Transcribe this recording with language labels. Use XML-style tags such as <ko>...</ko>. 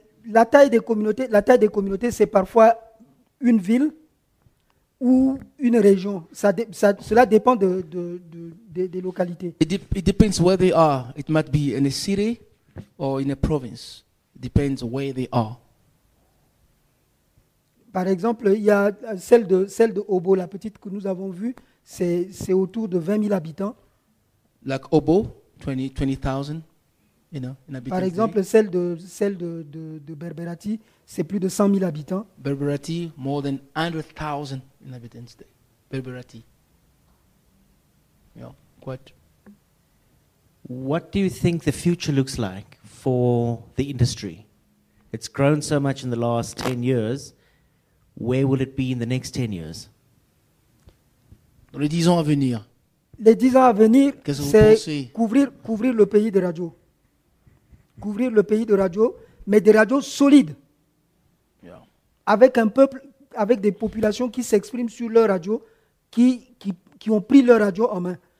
<fr>La taille des communautés, c'est parfois une ville ou une région. Cela dépend de localités.</fr> <en>It depends where they are. It might be in a city or in a province. It depends where they are.</en> <fr>Par exemple, il y a celle de Obo, la petite que nous avons vue, c'est autour de 20 000 habitants.</fr> <en>Like Obo, 20,000.</en> <fr>Par exemple, celle de Berberati, c'est plus de 100 000 habitants.</fr> <en>Berberati, more than 100,000 inhabitants. Berberati. Yeah. What do you think the future looks like for the industry? It's grown so much in the last 10 years. Where will it be in the next 10 years?</en> <fr>Dans les 10 ans à venir. Les 10 ans à venir, c'est couvrir le pays de radio. Couvrir le pays de radio, mais des radios solides.</fr> <en>Yeah.</en> <fr>Avec un peuple, avec des populations qui s'expriment sur leur radio, qui ont pris leur radio en main.</fr>